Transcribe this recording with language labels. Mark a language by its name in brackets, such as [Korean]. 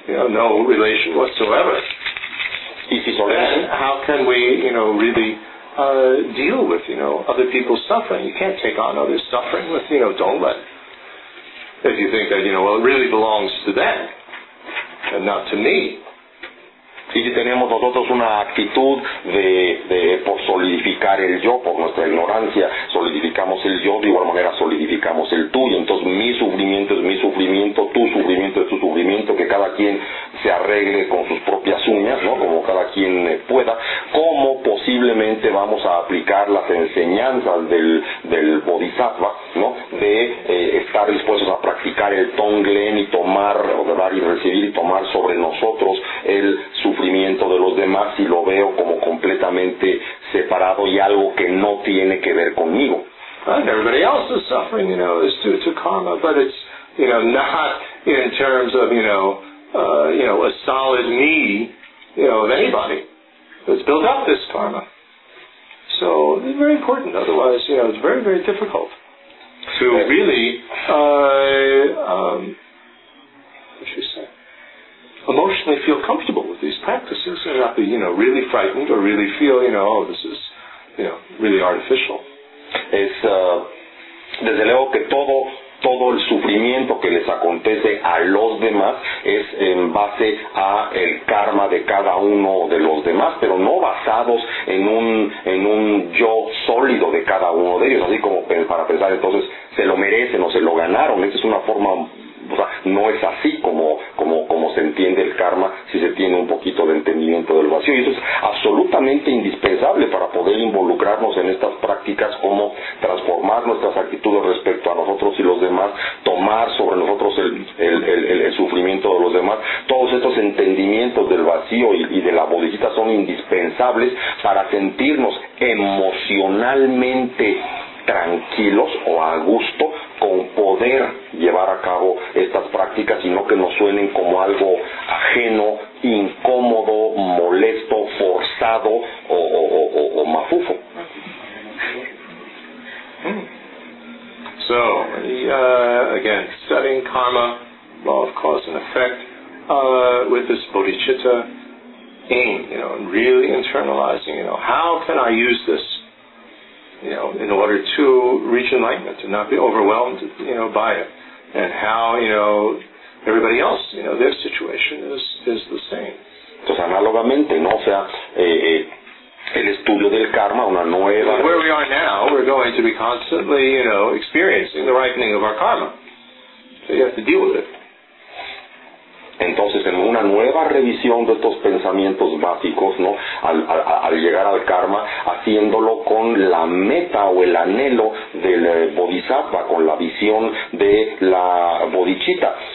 [English] No relation whatsoever. Then how can we, really deal with, other people's suffering? You can't take on others' suffering with, don't let. If you think that, it really belongs to them and not to me. [Spanish] Y si tenemos nosotros una actitud por solidificar el yo, por nuestra ignorancia, solidificamos el yo, de igual manera solidificamos el tú, y entonces mi sufrimiento es mi sufrimiento, tu sufrimiento es tu sufrimiento, que cada quien se arregle con sus propias uñas, ¿no? Como cada quien pueda. ¿Cómo posiblemente vamos a aplicar las enseñanzas del Bodhisattva, ¿no? De estar dispuestos a practicar el Tonglen y tomar, o de dar y recibir y tomar sobre nosotros el sufrimiento de los demás y lo veo como completamente separado y algo que no tiene que ver conmigo? [English] And everybody else is suffering, it's due to karma, but it's, not in terms of, a solid me, of anybody that's built up this karma. So it's very important, otherwise, it's very, very difficult to really, emotionally feel comfortable with these practices and not be, really frightened or really feel, oh, this is, really artificial. [Spanish] Es, desde luego que todo el sufrimiento que les acontece a los demás es en base a el karma de cada uno de los demás, pero no basados en un yo sólido de cada uno de ellos, así como para pensar entonces se lo merecen o se lo ganaron. Esa es una forma, o sea, no es así como se entiende el karma si se tiene un poquito de entendimiento del vacío. Y eso es absolutamente indispensable para poder involucrarnos en estas prácticas, como transformar nuestras actitudes respecto a nosotros y los demás, tomar sobre nosotros el sufrimiento de los demás. Todos estos entendimientos del vacío y de la bodichitta son indispensables para sentirnos emocionalmente tranquilos o a gusto con poder llevar a cabo estas prácticas, sino que nos suenen como algo ajeno, incómodo, molesto, forzado o mafufo. [English] So, again, studying karma, law of cause and effect, with this bodhicitta aim, really internalizing, how can I use this, in order to reach enlightenment and not be overwhelmed, by it. And how, everybody else, their situation is the same. [Spanish] Entonces, análogamente, ¿no? O sea, el estudio del karma, una nueva... [English] Where we are now, we're going to be constantly, experiencing the ripening of our karma. So you have to deal with it. [Spanish] Entonces, en una nueva revisión de estos pensamientos básicos, ¿no? Al llegar al karma, haciéndolo con la meta o el anhelo del bodhisattva, con la visión de la bodhicitta,